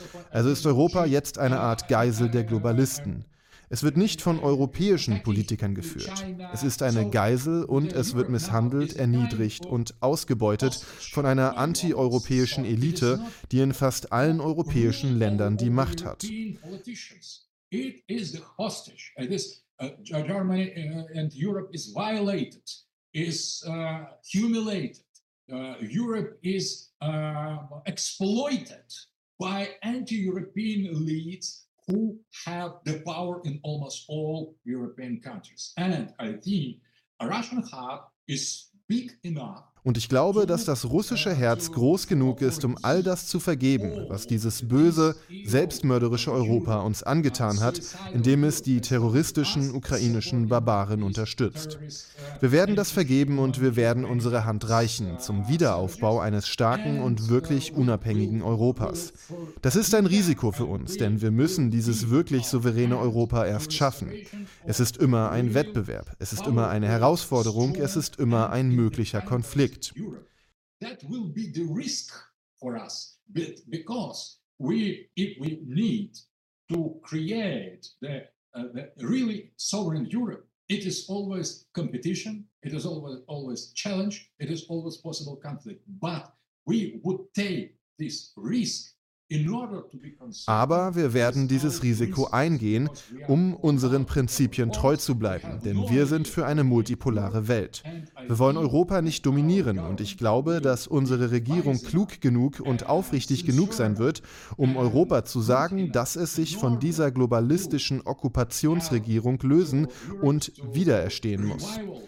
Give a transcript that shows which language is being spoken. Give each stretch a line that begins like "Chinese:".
German: Also ist Europa jetzt eine Art Geisel der Globalisten. Es wird nicht von europäischen Politikern geführt. Es ist eine Geisel und es wird misshandelt, erniedrigt und ausgebeutet von einer antieuropäischen Elite, die in fast allen europäischen Ländern die Macht hat.
English: It is the hostage. This Germany and Europe is violated, is humiliated. Europe is exploited by anti-European elites who have the power in almost all European countries. And I think a Russian heart is big enough.
German: Und ich glaube, dass das russische Herz groß genug ist, um all das zu vergeben, was dieses böse, selbstmörderische Europa uns angetan hat, indem es die terroristischen ukrainischen Barbaren unterstützt. Wir werden das vergeben und wir werden unsere Hand reichen zum Wiederaufbau eines starken und wirklich unabhängigen Europas. Das ist ein Risiko für uns, denn wir müssen dieses wirklich souveräne Europa erst schaffen. Es ist immer ein Wettbewerb, es ist immer eine Herausforderung, es ist immer ein möglicher Konflikt.
English: That will be the risk for us, but because we need to create the really sovereign Europe, it is always competition, it is always challenge, it is always possible conflict. But we would take this risk.
German: Aber wir werden dieses Risiko eingehen, um unseren Prinzipien treu zu bleiben, denn wir sind für eine multipolare Welt. Wir wollen Europa nicht dominieren und ich glaube, dass unsere Regierung klug genug und aufrichtig genug sein wird, um Europa zu sagen, dass es sich von dieser globalistischen Okkupationsregierung lösen und wiedererstehen muss.